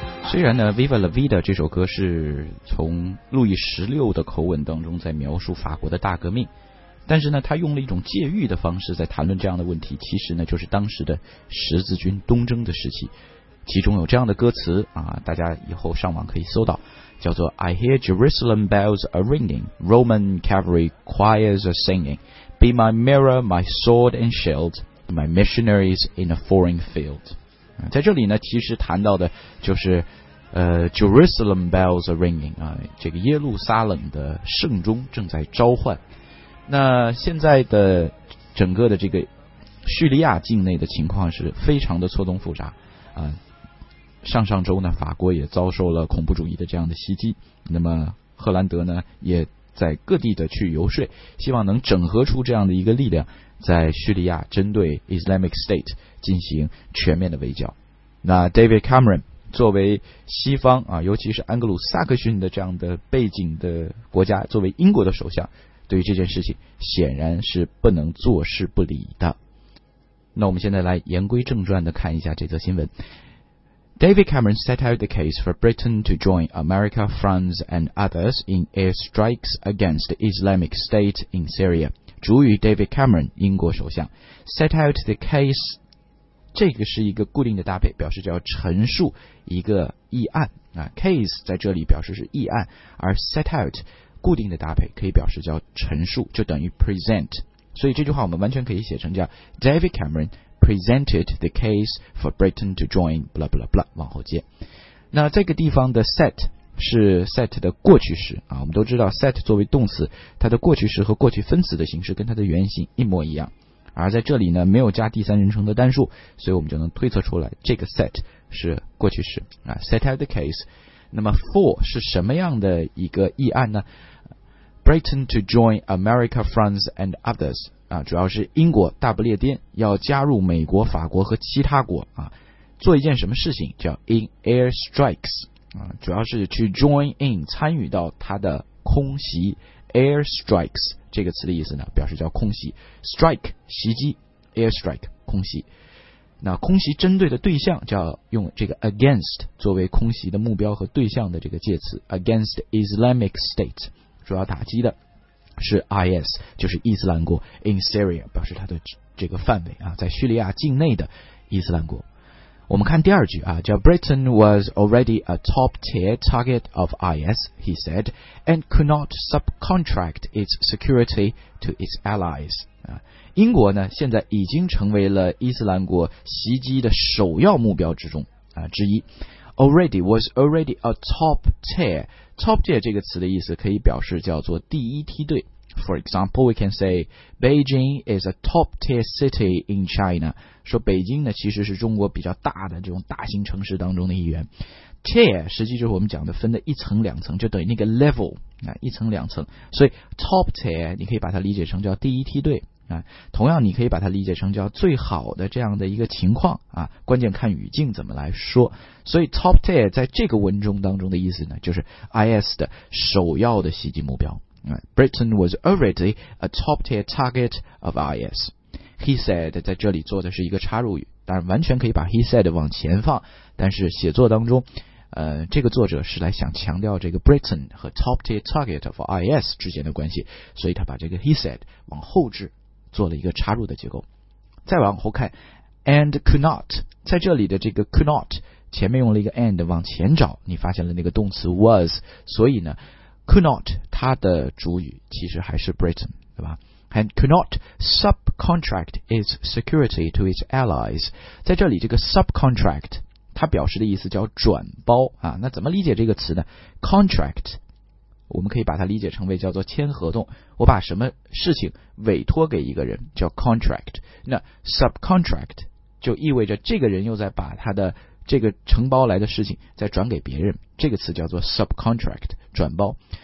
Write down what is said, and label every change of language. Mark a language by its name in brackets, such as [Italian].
[Chinese] 虽然呢 Viva La Vida 这首歌是从路易十六的口吻当中在描述法国的大革命，但是呢他用了一种借喻的方式在谈论这样的问题，其实呢就是当时的十字军东征的时期。其中有这样的歌词啊，大家以后上网可以搜到，叫做 [English] I hear Jerusalem bells are ringing, Roman cavalry choirs are singing, Be my mirror, my sword and shield, My missionaries in a foreign field。 [Chinese] 在这里呢，其实谈到的就是 [English] Jerusalem bells are ringing [Chinese] 啊，这个耶路撒冷的圣钟正在召唤。那现在的整个的这个叙利亚境内的情况是非常的错综复杂啊。上上周呢，法国也遭受了恐怖主义的这样的袭击，那么荷兰德呢也在各地的去游说，希望能整合出这样的一个力量，在叙利亚针对 Islamic State 进行全面的围剿。那 David Cameron 作为西方啊，尤其是安格鲁萨克逊的这样的背景的国家，作为英国的首相，对于这件事情显然是不能坐视不理的。那我们现在来言归正传的看一下这则新闻。 [English] David Cameron set out the case for Britain to join America, France and others in airstrikes against Islamic State in Syria. [Chinese] 主语 David Cameron, 英国首相 [English] set out the case, [Chinese] 这个是一个固定的搭配，表示叫陈述一个议案啊。 case 在这里表示是议案，而 set out 固定的搭配可以表示叫陈述，就等于 present。所以这句话我们完全可以写成叫 [English] David Cameron presented the case for Britain to join blah blah [Chinese] blah 往后接。那这个地方的 set 是 set 的过去时啊，我们都知道 set 作为动词，它的过去时和过去分词的形式跟它的原型一模一样，而在这里呢没有加第三人称的单数，所以我们就能推测出来这个 set 是过去时啊 set out the case。那么 for 是什么样的一个议案呢？ [English] Britain to join America, France and others [Chinese] 啊，主要是英国大不列颠要加入美国、法国和其他国啊，做一件什么事情叫 in air strikes 啊，主要是去 join in 参与到它的空袭。 air strikes 这个词的意思呢，表示叫空袭 ，strike 袭击 ，air strike 空袭。那空袭针对的对象叫用这个 against 作为空袭的目标和对象的这个介词 ，against Islamic State。主要打击的是 IS， 就是伊斯兰国 in Syria， 表示它的这个范围啊，在叙利亚境内的伊斯兰国。我们看第二句啊，叫 [English] Britain was already a top tier target of IS， he said， and could not subcontract its security to its allies。 [Chinese] 啊，英国呢现在已经成为了伊斯兰国袭击的首要目标之中啊之一。 [English] Already was already a top tier. [Chinese] Top tier 这个词的意思可以表示叫做第一梯队。 [English] For example, we can say Beijing is a top tier city in China. [Chinese] 说北京呢其实是中国比较大的这种大型城市当中的一员。Tier 实际就是我们讲的分的一层两层，就等于那个 level 啊，一层两层，所以 top tier 你可以把它理解成叫第一梯队啊，同样你可以把它理解成叫最好的这样的一个情况啊，关键看语境怎么来说。所以 top tier 在这个文中当中的意思呢，就是 IS 的首要的袭击目标。 [English] Britain was already a top tier target of IS. [Chinese] He said 在这里做的是一个插入语，当然完全可以把 he said 往前放，但是写作当中这个作者是来想强调这个 Britain 和 [English] top tier target of IS [Chinese] 之间的关系，所以他把这个 he said 往后置，做了一个插入的结构。再往后看 and could not， 在这里的这个 could not 前面用了一个 and 往前找，你发现了那个动词 was， 所以呢 could not 它的主语其实还是 Britain， 对吧？ [English] And could not subcontract its security to its allies. [Chinese] 在这里这个 subcontract 它表示的意思叫转包啊。那怎么理解这个词呢？Contract 我们可以把它理解成为叫做签合同，我把什么事情委托给一个人叫 contract， 那 subcontract 就意味着这个人又在把他的这个承包来的事情再转给别人，这个词叫做 subcontract， 转包。